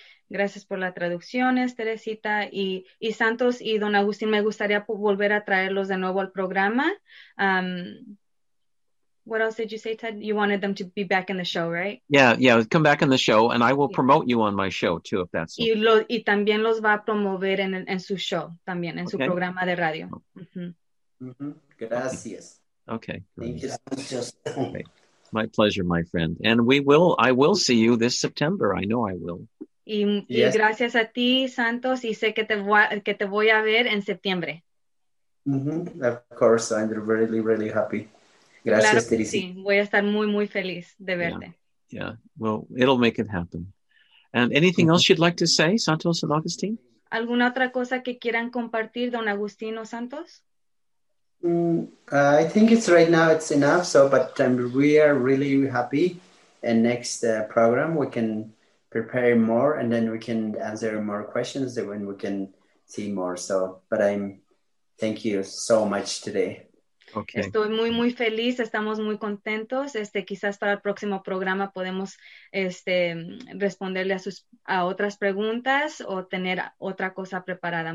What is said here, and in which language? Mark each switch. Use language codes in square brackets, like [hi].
[es] Gracias por las traducciones, Teresita. Y Santos y don Agustín, me gustaría volver a traerlos de nuevo al programa. [en] What else did you say, Ted? You wanted them to be back in the show, right? Yeah, come back in the show, and I will promote you on my show, too, if that's okay. [es] Y también los va a promover en su show, también, en su programa de radio. Gracias. [en] Okay. Thank you. Okay. My pleasure, my friend. And I will see you this September. I know I will. [es] Y gracias a ti, Santos, y sé que te voy a ver en septiembre. Mm-hmm. [en] Of course, I'm really, really happy. [es] Gracias, claro, sí. Voy a estar muy, muy feliz de verte. [en] Yeah, well, it'll make it happen. And anything else you'd like to say, Santos and Augustine? [es] ¿Alguna otra cosa que quieran compartir, don Agustín o Santos? [en] I think it's right now it's enough, but we are really happy. And next program, we can prepare more, and then we can answer more questions, and then we can see more. But thank you so much today. Okay. [es] Estoy muy, muy feliz. Estamos muy contentos. Quizás para el próximo programa podemos responderle a otras preguntas o tener otra cosa preparada.